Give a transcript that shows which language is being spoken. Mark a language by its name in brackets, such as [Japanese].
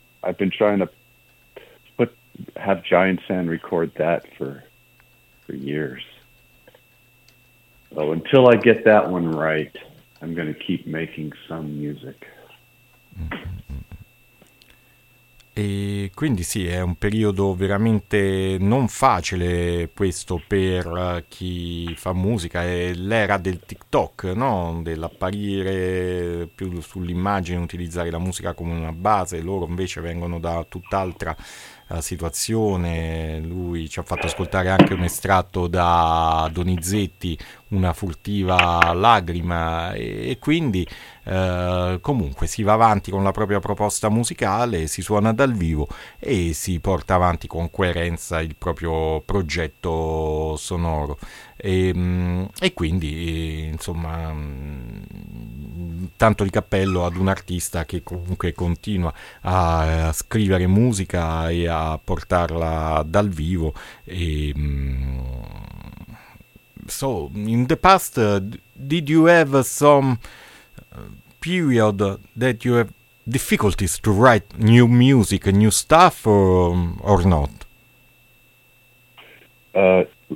[English] I've been trying to have Giant Sand record that for years. So until I get that one right, I'm going to keep making some music. [Italian] E quindi sì, è un periodo veramente non facile questo per chi fa musica. È l'era del TikTok, no? Dell'apparire più sull'immagine, utilizzare la musica come una base. Loro invece vengono da tutt'altra situazione. Lui ci ha fatto ascoltare anche un estratto da Donizetti, Una Furtiva Lagrima, e quindi comunque si va avanti con la propria proposta musicale, si suona dal vivo e si porta avanti con coerenza il proprio progetto sonoro. E quindi insomma tanto di cappello ad un artista che comunque continua a scrivere musica e a portarla dal vivo. [English] E so in the past, did you have some period that you have difficulties to write new music, new stuff, or not?